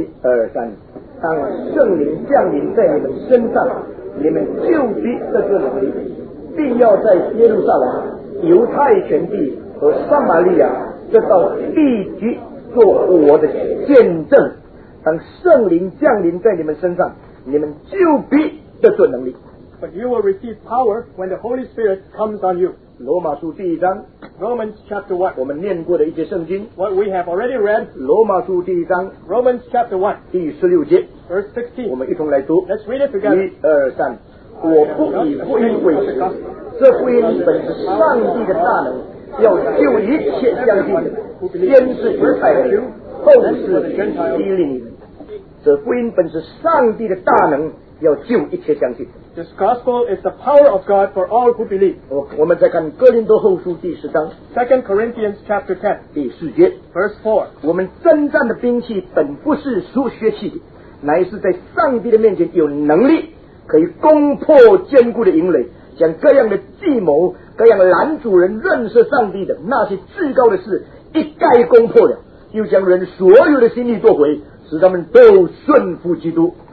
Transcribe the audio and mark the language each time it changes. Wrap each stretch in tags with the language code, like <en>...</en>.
<zh>一二三当圣灵降临在你们身上你们就必得着能力必要在耶路撒冷犹太全地和撒玛利亚这到地极做我的见证当圣灵降临在你们身上你们就必得着能力</zh> <en>but you will receive power when the Holy Spirit comes on you</en> <zh>罗马书第一章</zh> <en>Romans chapter 1</en> <zh>我们念过的一些圣经</zh> <en>What we have already read</en> <zh>罗马书第一章</zh> <en>Romans chapter 1</en> <zh>第十六节</zh> <en>Verse 16</en> <zh>我们一同来读</zh> <en>Let's read it together</en> <zh>一二三我不以福音为耻这福音本是上帝的大能要救一切相信的先是犹太人后是希利尼人这福音本是上帝的大能要救一切相信的</zh> <en>This gospel is the power of God for all who believe.</en> <zh>Okay, 我们再看哥林多后书第十章</zh> <en>2 Corinthians chapter 10.</en> <zh>第四节</zh> <en>Verse 4.</en> <zh>我们征战的兵器本不是属血气的，乃是在上帝的面前有能力，可以攻破坚固的营垒，将各样的计谋、各样拦阻人认识上帝的那些至高的事一概攻破了，又将人所有的心意夺回，使他们都顺服基督。</zh>